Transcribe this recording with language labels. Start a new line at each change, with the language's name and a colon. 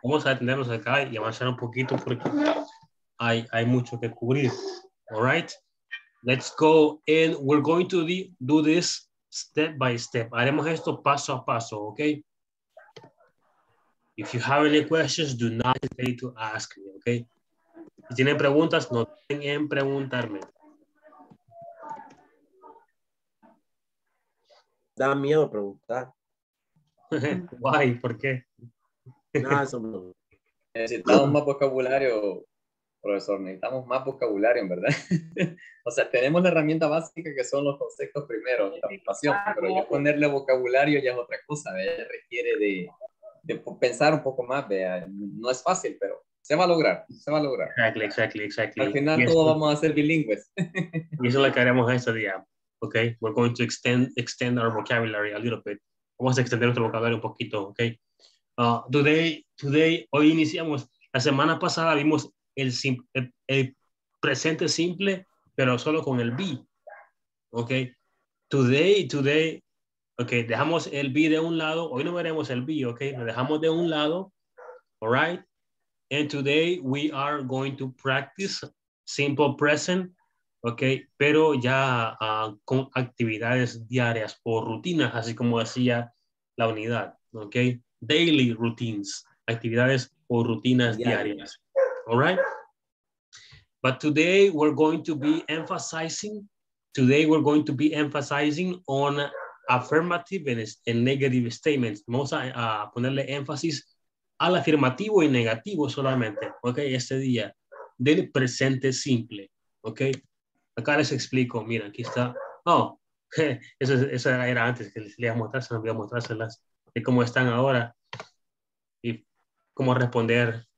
Spanish: Vamos a detenernos acá y avanzar un poquito porque hay mucho que cubrir.
English: All right. Let's go and we're going to do this step by step.
Spanish: Haremos esto paso a paso,
English: okay? If you have any questions, do not hesitate to ask me, okay?
Spanish: Si tienen preguntas, no duden en preguntarme. Da miedo preguntar. Why? ¿Por qué? Necesitamos más vocabulario, profesor. Necesitamos más vocabulario, en verdad. O sea, tenemos la herramienta básica que son los conceptos primero, la pasión, pero ya ponerle vocabulario ya es otra cosa, ¿verdad? Requiere de pensar un poco más, ¿verdad? No es fácil, pero se va a lograr, se va a lograr.
English: Exactly, exactly, exactly.
Spanish: Al final yes. Todos vamos a ser bilingües. Y eso es lo que haremos este día.
English: Okay, we're going to extend our vocabulary a little bit.
Spanish: Vamos a extender nuestro vocabulario un poquito, okay? Today, hoy iniciamos. La semana pasada vimos el presente simple, pero solo con el be, okay? Today, okay, dejamos el be de un lado. Hoy no veremos el be, okay? Lo dejamos de un lado,
English: all right? And today we are going to practice simple present.
Spanish: Ok, pero ya con actividades diarias o rutinas, así como decía la unidad, ok,
English: daily routines,
Spanish: actividades o rutinas diarias,
English: all right? But today we're going to be emphasizing on affirmative and negative statements.
Spanish: Vamos a ponerle énfasis al afirmativo y negativo solamente, ok, este día del presente simple, ok. Acá les explico, mira, aquí está. Oh, eso era antes que les iba a mostrarse, no voy a mostrárselas. Y cómo están ahora. Y cómo responder.